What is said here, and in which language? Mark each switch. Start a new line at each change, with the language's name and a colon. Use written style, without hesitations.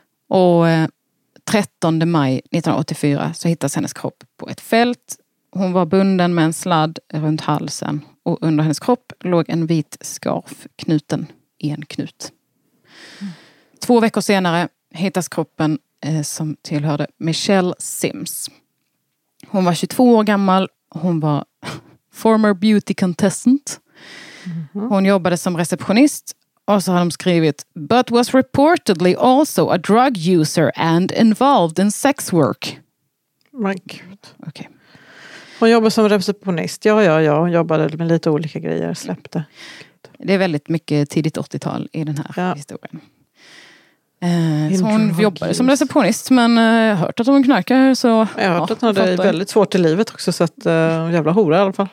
Swedish: Och 13 maj 1984 så hittades hennes kropp på ett fält. Hon var bunden med en sladd runt halsen. Och under hennes kropp låg en vit skarf knuten i en knut. Mm. 2 veckor senare hittas kroppen som tillhörde Michelle Sims. Hon var 22 år gammal. Hon var
English: former beauty contestant. Mm-hmm.
Swedish: Hon jobbade som receptionist. Och så har de skrivit,
English: but was reportedly also a drug user and involved in sex work. My God. Okay.
Swedish: Hon jobbade som receptionist, ja. Hon jobbade med lite olika grejer, släppte. Det är väldigt mycket tidigt 80-tal i den här historien. Så hon jobbade som receptionist, men jag hört att hon knarkade. Så, jag har hört att hon hade fattar. Väldigt svårt i livet också, så att jävla hora i alla fall.